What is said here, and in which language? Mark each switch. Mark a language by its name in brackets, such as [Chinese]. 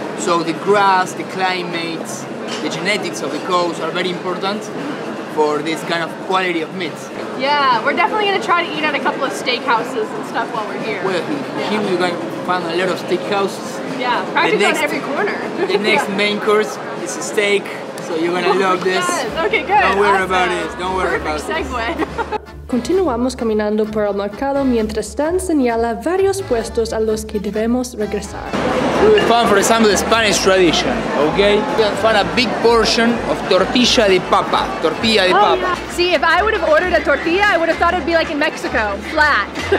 [English] So the grass, the climate, the genetics of the coast are very important for this kind of quality of meat. Yeah, we're definitely gonna try to eat at a couple of steakhouses and stuff while we're here. Well, here we're going to find a lot of steakhouses. Yeah, practically next, on every corner. The next main course is a steak, so you're gonna love this. Yes. Okay, good. Don't worry about it. Don't worry about this. Perfect segue. [Spanish] Continuamos caminando por el mercado mientras Stan señala varios puestos a los que debemos regresar. [English] We will find, for example, the Spanish tradition, okay? We will find a big portion of tortilla de papa, tortilla de papa. Yeah. See, if I would have ordered a tortilla, I would have thought it'd be like in Mexico, flat.